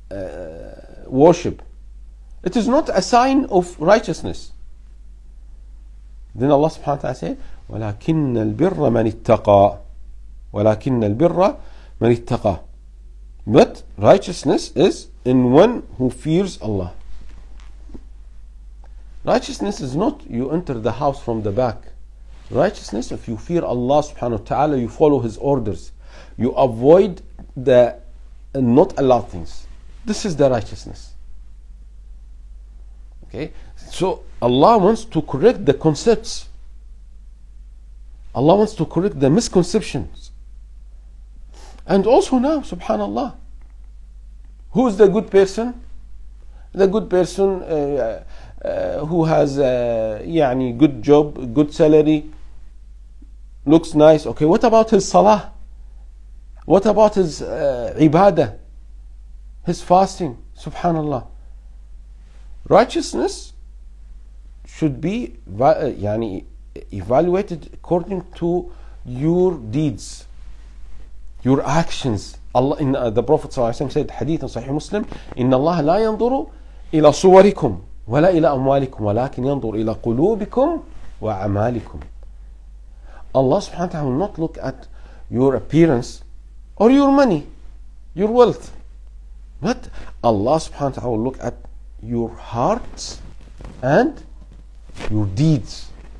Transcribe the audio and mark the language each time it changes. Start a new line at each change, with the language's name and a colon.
English: It is a kind of worship. It is not a sign of righteousness. Then Allah subhanahu wa ta'ala said,
Arabic: وَلَكِنَّ الْبِرَّ مَنِ اتَّقَى وَلَكِنَّ الْبِرَّ مَنِ اتَّقَى.
English: But righteousness is in one who fears Allah. Righteousness is not you enter the house from the back. Righteousness, if you fear Allah subhanahu wa ta'ala, you follow His orders, you avoid the not allowed things. This is the righteousness. Okay? So Allah wants to correct the concepts. Allah wants to correct the misconceptions. And also now, subhanallah, who is the good person? The good person who has a good job, good salary, looks nice. Okay, what about his salah? What about his ibadah? His fasting, subhanallah. Righteousness should be evaluated according to your deeds, your actions. Allah, in the Prophet said, hadith in Sahih Muslim,
Arabic: إِنَّ اللَّهَ لَا يَنْظُرُ إِلَى صُوَرِكُمْ وَلَا إِلَى أَمْوَالِكُمْ وَلَكِنْ يَنْظُرُ إِلَى قُلُوبِكُمْ وَعَمَالِكُمْ.
English: Allah subhanahu wa ta'ala will not look at your appearance or your money, your wealth. But Allah subhanahu wa ta'ala will look at your hearts and your deeds.